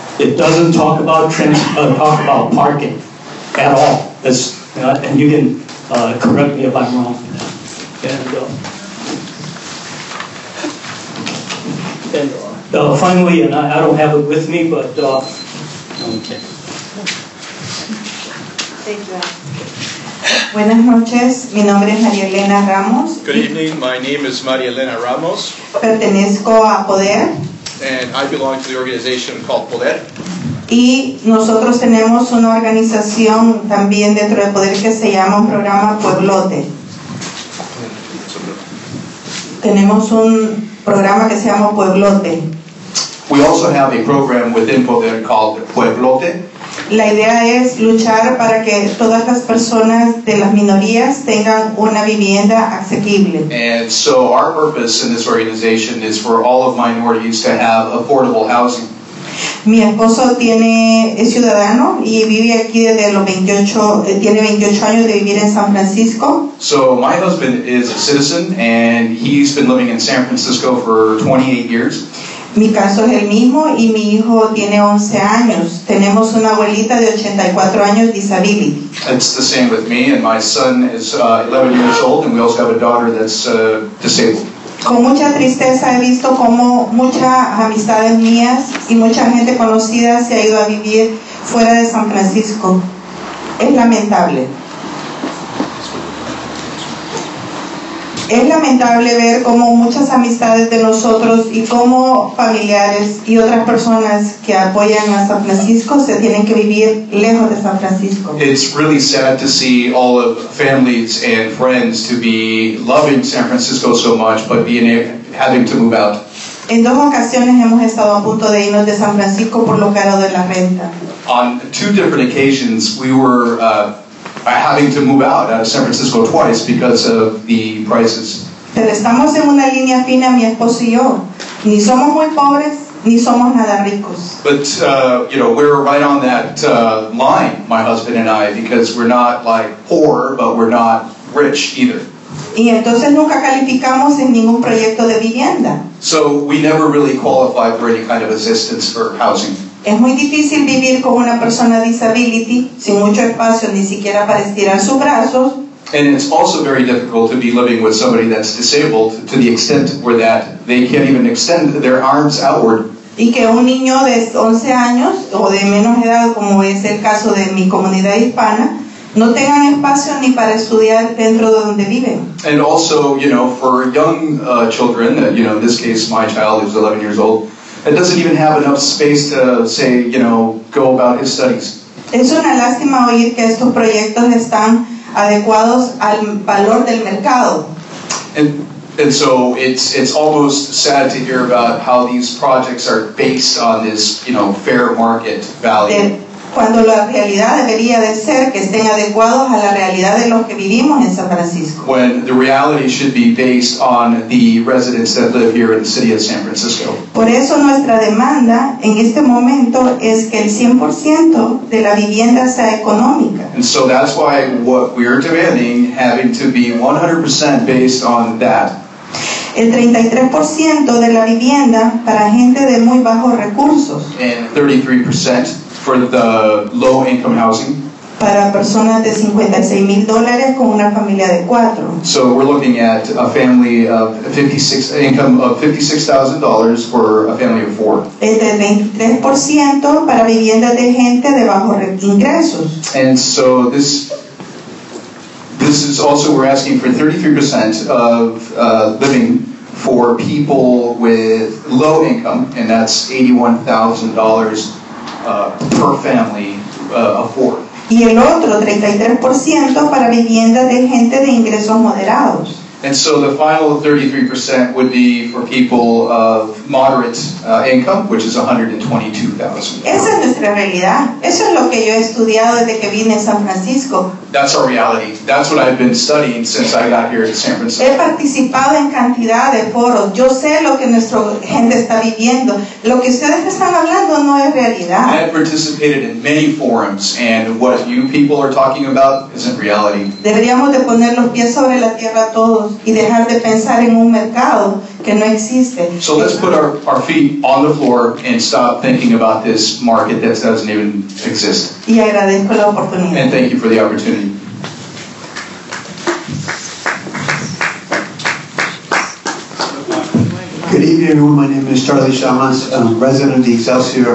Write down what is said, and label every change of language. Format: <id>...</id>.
<en>It doesn't talk about talk about parking at all. And you can correct me if I'm wrong. And finally, and I don't have it with me, but okay. Thank you.</en> <es>Buenas noches, mi nombre es María Elena Ramos.</es> <en>Good evening, my name is María Elena Ramos.</en> <es>Pertenezco a Poder.</es> <en>And I belong to the organization called Poder.</en> <es>Y nosotros tenemos una organización también dentro de Poder que se llama un programa Pueblote. Tenemos un programa que se llama Pueblote.</es> <en>We also have a program within Poder called Pueblote.</en> <es>La idea es luchar para que todas las personas de las minorías tengan una vivienda asequible.</es> <en>And so our purpose in this organization is for all of minorities to have affordable housing.</en> <es>Mi esposo es ciudadano y vive aquí desde los 28, tiene 28 años de vivir en San Francisco.</es> <en>So my husband is a citizen and he's been living in San Francisco for 28 years.</en> <es>Mi caso es el mismo y mi hijo tiene 11 años. Tenemos una abuelita de 84 años disability.</es> <en>It's the same with me and my son is 11 years old and we also have a daughter that's disabled.</en> <es>Con mucha tristeza he visto cómo muchas amistades mías y mucha gente conocida se ha ido a vivir fuera de San Francisco. Es lamentable. Es lamentable ver cómo muchas amistades de nosotros y cómo familiares y otras personas que apoyan a San Francisco se tienen que vivir lejos de San Francisco.</es> <en>It's really sad to see all of families and friends to be loving San Francisco so much but having to move out.</en> <es>En dos ocasiones hemos estado a punto de irnos de San Francisco por lo caro de la renta.</es> <en>On two different occasions we were having to move out of San Francisco twice because of the prices.</en> <es>Pero estamos en una línea fina, mi esposo y yo. Ni somos muy pobres, ni somos nada ricos.</es> <en>But, you know, we're right on that line, my husband and I, because we're not, like, poor, but we're not rich either.</en> <es>Y entonces nunca calificamos en ningún proyecto de vivienda.</es> <en>So we never really qualify for any kind of assistance for housing.</en> <es>Es muy difícil vivir con una persona disability sin mucho espacio ni siquiera para estirar sus brazos.</es> <en>And it's also very difficult to be living with somebody that's disabled to the extent where that they can't even extend their arms outward.</en> <es>Y que un niño de 11 años o de menos edad, como es el caso de mi comunidad hispana, no tengan espacio ni para estudiar dentro de donde viven.</es> <en>And also, you know, for young children, you know, in this case, my child is 11 years old, it doesn't even have enough space to, say, you know, go about his studies.</en> <es>Es una lástima oír que estos proyectos están adecuados al valor del mercado.</es> <en>And so it's almost sad to hear about how these projects are based on this, you know, fair market value.</en> <es>Cuando la realidad debería de ser que estén adecuados a la realidad de los que vivimos en San Francisco.</es> <en>When the reality should be based on the residents that live here in the city of San Francisco.</en> <es>Por eso nuestra demanda en este momento es que el 100% de la vivienda sea económica.</es> <en>And so that's why what we're demanding having to be 100% based on that.</en> <es>El 33% de la vivienda para gente de muy bajos recursos.</es> <en>And 33% for the low income housing.</en> <es>Para personas de $56,000 con una familia de cuatro.</es> <en>So we're looking at a family of $56,000 for a family of four.</en> <es>El 23% para viviendas de gente de bajos ingresos.</es> <en>And so this is also, we're asking for 33% of living for people with low income, and that's $81,000 per family of four.</en> <es>Y el otro 33% para viviendas de gente de ingresos moderados.</es> <en>And so the final 33% would be for people of moderate income, which is $122,000.</en> <es>Esa es nuestra realidad. Eso es lo que yo he estudiado desde que vine a San Francisco.</es> <en>That's our reality. That's what I've been studying since I got here in San Francisco.</en> <es>He participado en cantidad de foros. Yo sé lo que nuestra gente está viviendo. Lo que ustedes están hablando no es realidad.</es> <en>I have participated in many forums, and what you people are talking about isn't reality.</en> <es>Deberíamos de poner los pies sobre la tierra todos y dejar de pensar en un mercado que no existe.</es> <en>So let's put our feet on the floor and stop thinking about this market that doesn't even exist.</en> <es>Y agradezco la oportunidad.</es> <en>And thank you for the opportunity. Good evening, everyone. My name is Charlie Chamas. I'm a resident of the Excelsior.</en>